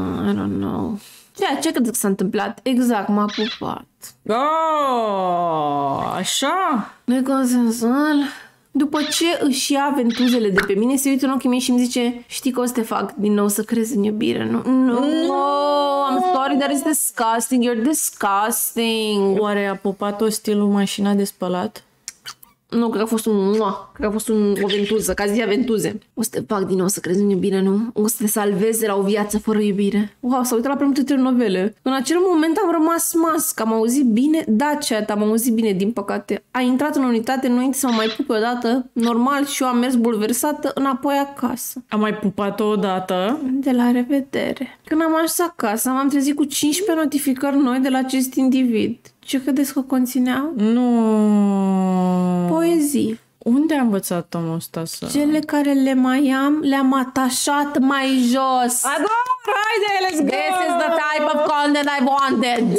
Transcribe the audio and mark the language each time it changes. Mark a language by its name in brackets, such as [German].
[English] I don't know. [Romanian] Ceea ce cred că s-a întâmplat? Exact, m-a pupat. Oh, așa? Neconsensual. După ce își ia ventuzele de pe mine, se uită în ochii mei și îmi zice, știi că o să te fac din nou să crezi în iubire, nu? Nu, [English] no, I'm sorry, that is disgusting, you're disgusting. [Romanian] Oare a pupat-o stilul mașina de spălat? Nu, cred că a fost un mua, cred că a fost un, o ventuză, ca zi a ventuze. O să te fac din nou să crezi în iubire, nu? O să te salvezi de la o viață fără iubire. Wow, s-a uitat la prea multe telenovele. În acel moment am rămas mască, am auzit bine, da, chat, am auzit bine, din păcate. A intrat în unitate înainte să mă mai pupe o dată, normal, și eu am mers bulversată înapoi acasă. Am mai pupat-o o dată? De la revedere. Când am ajuns acasă, m-am trezit cu 15 notificări noi de la acest individ. Ce credeți că conținea? Nu. Poezii. Unde a învățat omul ăsta să... Cele care le mai am, le-am atașat mai jos. Ador, haide, [English] let's go! This is the type of content I wanted.